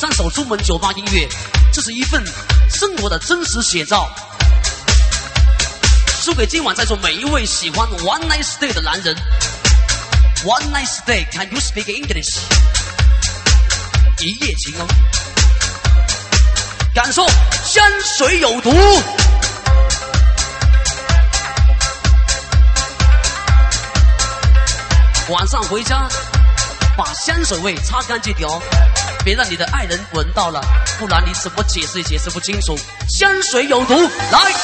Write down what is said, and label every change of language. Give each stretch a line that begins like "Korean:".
Chinese: 中文酒吧音乐，这是一份生活的真实写照，送给今晚在座每一位喜欢 One Night Stay 的男人。
English: One Night Stay Can you speak English?
Chinese: 一夜情哦，感受香水有毒，晚上回家把香水味擦干净点哦，别让你的爱人闻到了，不然你怎么解释解释不清楚，香水有毒，来，